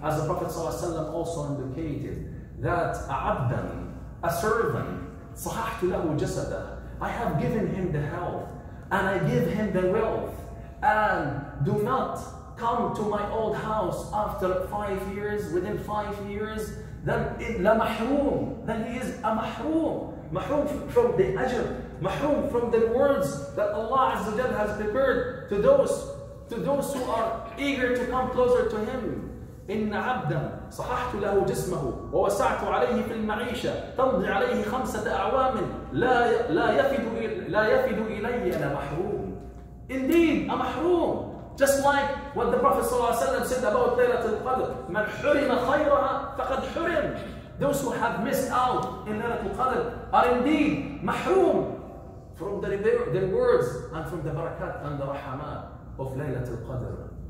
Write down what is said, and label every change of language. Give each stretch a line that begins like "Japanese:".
English: As the Prophet sallallahu alayhi wa sallam also indicated that عَبْدًا a servant
Arabic: صَحَحْتُ لَهُ جَسَدًا
English: I have given him the health and I give him the wealth and do not come to my old house after 5 years, within 5 years, then لَمَحْرُوم then he is a mahroom, mahroom from the ajr, mahroom from the rewards that Allah Azza wa Jalla has prepared to those who are eager to come closer to him.
Arabic: إن عبداً صححت له جسمه ووسعت عليه في المعيشة تمضي عليه 5 أعوام لا يفد إلي أنا محروم.
English: Indeed, a mahroom. Just like what the Prophet
Arabic: صلى الله عليه وسلم
English: said about ليلة القدر.
Arabic: من حرم خيرها فقد حرم.
English: Those who have missed out in ليلة القدر are indeed محروم from the rewards and from the barakat and the rahmat of ليلة القدر.